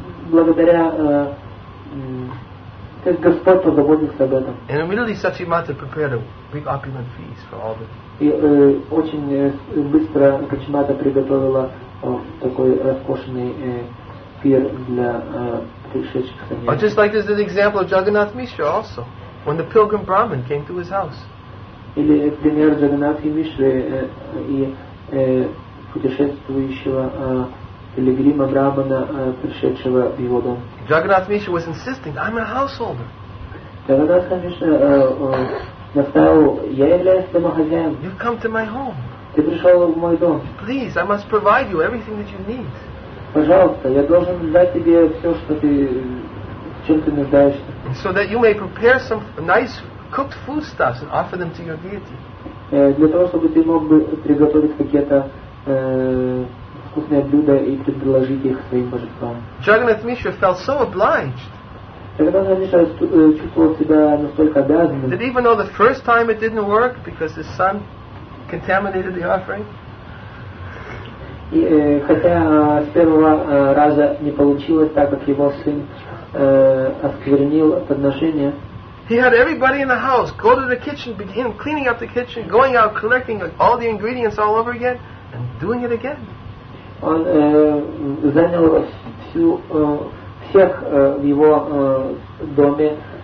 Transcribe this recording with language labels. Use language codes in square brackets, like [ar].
[ru] Благодаря Господь позаботился об этом. [en] And immediately Sachi Mata prepared a big opulent feast for all the. [ru] И очень быстро Sachi Mata приготовила такой роскошный пир для пришедших саньясин. [en] Just like this is an example of Jagannath Mishra also, when the pilgrim Brahmin came to his house. [ru] Или пример Джагнатхи Мишры и путешествующего пилигрима Брахмана, пришедшего в его дом. [en] Джагнат Мишра was insisting, I'm a householder. [ru] Джагнатхи Мишра настаивал, я являюсь домохозяином. [en] You come to my home. [ru] Ты пришел в мой дом. [en] Please, I must provide you everything that you need. [ru] Пожалуйста, я должен дать тебе все, что ты, чем ты нуждаешься. [en] So that you may prepare some nice cooked foodstuffs and offer them to your deity. [ru] Для того, чтобы ты мог бы приготовить какие-то вкусные блюда и предложить их своим божествам. [en] Jagannath Mishra felt so obliged. [ru] Jagannath Mishra чувствовал себя настолько обязанным. [en] That even though the first time it didn't work because his son contaminated the offering. [ru] И хотя с первого раза не получилось, так как его сын осквернил подношение. [en] He had everybody in the house go to the kitchen, begin cleaning up the kitchen, going out, collecting all the ingredients all over again, and doing it again. [ru] Он занял всю всех в его доме.